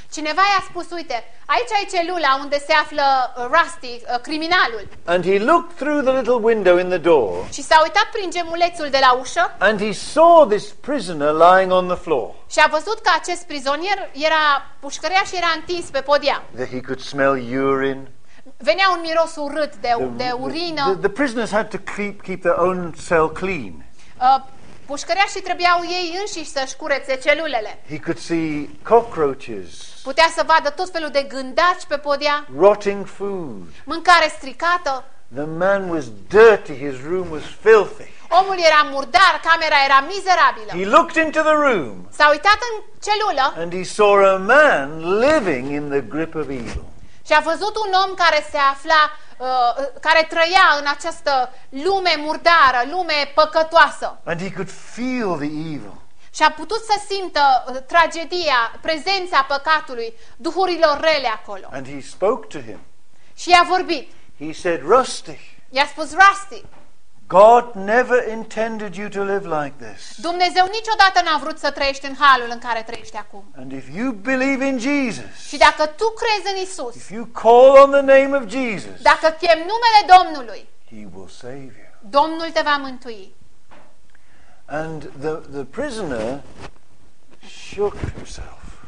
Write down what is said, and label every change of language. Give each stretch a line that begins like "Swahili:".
Romanian: Cineva i-a spus, uite, aici e celula unde se află Rusty, criminalul.
English: And he looked through the little window in the door.
Romanian: Și s-a uitat prin gemulețul de la ușă.
English: And he saw this prisoner lying on the floor.
Romanian: Și a văzut că acest prizonier era pușcărea și era întins pe podea.
English: That he could smell urine.
Romanian: Venea un miros urât de urină.
English: The prisoners had to keep their own cell clean.
Romanian: Pușcăreașii trebuiau ei înșiși să-și curețe celulele.
English: He could see cockroaches.
Romanian: Putea să vadă tot felul de gândaci pe podea.
English: Rotting food.
Romanian: Mâncare stricată.
English: The man was dirty, his room was filthy.
Romanian: Omul era murdar, camera era mizerabilă.
English: He looked into the room.
Romanian: S-a uitat în celulă.
English: And he saw a man living in the grip of evil.
Romanian: Și a văzut un om care se afla care trăia în această lume murdară, lume păcătoasă.
English: And he could feel the evil.
Romanian: Și a putut să simtă tragedia, prezența păcatului, duhurilor rele acolo.
English: And he spoke to him.
Romanian: Și i-a vorbit.
English: He said, Rusty.
Romanian: I-a spus, Rusty.
English: God never intended you to live like this.
Romanian: Dumnezeu niciodată n-a vrut să trăiești în halul în care trăiești acum.
English: And if you believe in Jesus.
Romanian: Și dacă tu crezi în Isus.
English: If you call on the name of Jesus.
Romanian: Dacă chem numele Domnului.
English: He will save you.
Romanian: Domnul te va mântui.
English: And the prisoner shook himself.